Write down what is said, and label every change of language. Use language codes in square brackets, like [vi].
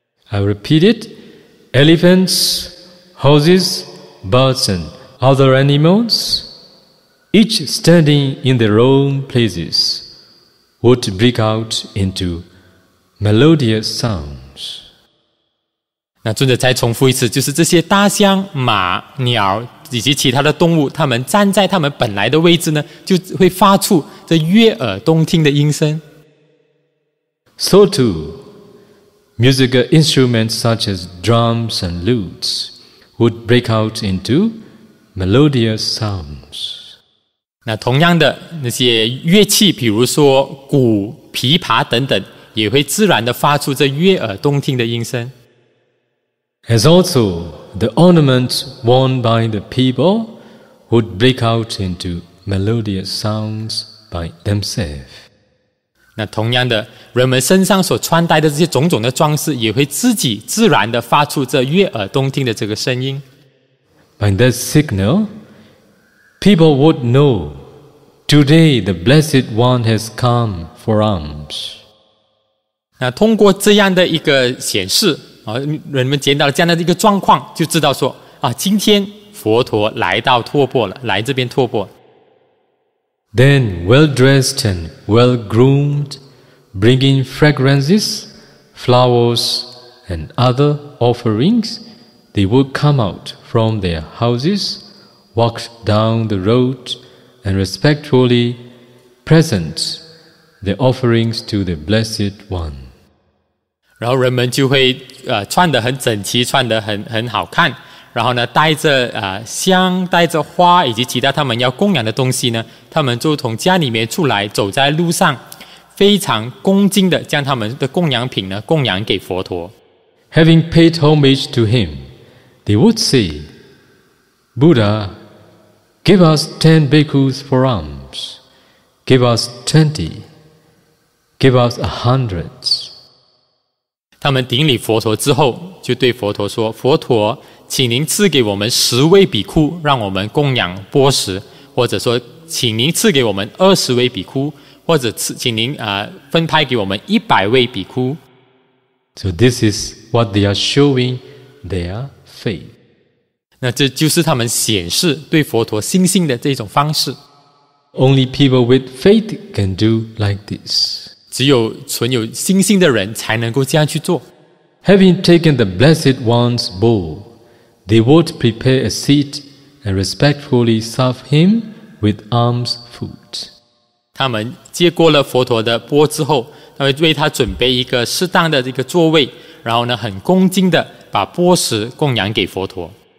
[en] I repeat it: elephants, horses, birds, and other animals, each standing in their own places, would break out into melodious sound. [zh] 那尊者再重复一次，就是这些大象、马、鸟以及其他的动物，它们站在它们本来的位置呢，就会发出这悦耳动听的音声。 [en] So too, musical instruments such as drums and lutes would break out into melodious sounds. [zh] 那同样的，那些乐器，比如说鼓、琵琶等等，也会自然的发出这悦耳动听的音声。 [en] As also the ornaments worn by the people would break out into melodious sounds by themselves. [zh] 那同样的，人们身上所穿戴的这些种种的装饰，也会自己自然的发出这悦耳动听的这个声音。 [en] By that signal, people would know, today the Blessed One has come for alms. [zh] 那通过这样的一个显示，人们见到了这样的一个状况，就知道说今天佛陀来到托钵了，来这边托钵。 [en] Then well dressed and well groomed, bringing fragrances, flowers, and other offerings, they would come out from their houses, walk down the road, and respectfully present the offerings to the Blessed One. [zh] 然后人们就会穿得很整齐，穿得很好看，然后呢带着香，带着花以及其他他们要供养的东西呢，他们就从家里面出来，走在路上，非常恭敬的将他们的供养品呢供养给佛陀。 [en] Having paid homage to him, They would say, Buddha, give us 10 bhikkhus for alms. Give us 20. Give us 100. [zh] 他们顶礼佛陀之后，就对佛陀说，佛陀，请您赐给我们十位比库，让我们供养波什，或者说请您赐给我们20位比库，或者请您分派给我们100位比库。 [en] So this is what they are showing their faith. [zh] 那这就是他们显示对佛陀信心的这种方式。 [en] Only people with faith can do like this. [zh] 只有存有信心的人才能够这样去做。 [en] Having taken the Blessed One's bowl, they would prepare a seat and respectfully serve him with alms food. [zh] 他们接过了佛陀的钵之后，他会为他准备一个适当的这个座位，然后呢，很恭敬的把钵食供养给佛陀。